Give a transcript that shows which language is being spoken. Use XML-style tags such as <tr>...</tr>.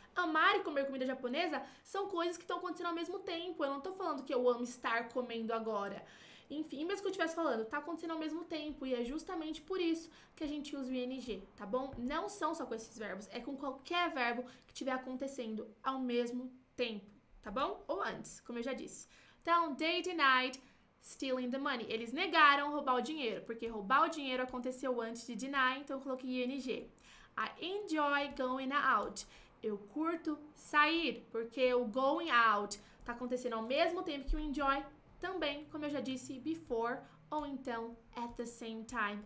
<pt>Amar e comer comida japonesa são coisas que estão acontecendo ao mesmo tempo, eu não tô falando que eu amo estar comendo agora. Enfim, mesmo que eu estivesse falando, tá acontecendo ao mesmo tempo e é justamente por isso que a gente usa o ing, tá bom? Não são só com esses verbos, é com qualquer verbo que estiver acontecendo ao mesmo tempo, tá bom? Ou antes, como eu já disse.</pt> <en>Então, they denied stealing the money.</en> <pt>Eles negaram roubar o dinheiro, porque roubar o dinheiro aconteceu antes de deny, então eu coloquei ing.</pt> <en>I enjoy going out.</en> <pt>Eu curto sair, porque o going out tá acontecendo ao mesmo tempo que o enjoy. Também, como eu já disse, before ou então</pt> <en>at the same time.</en>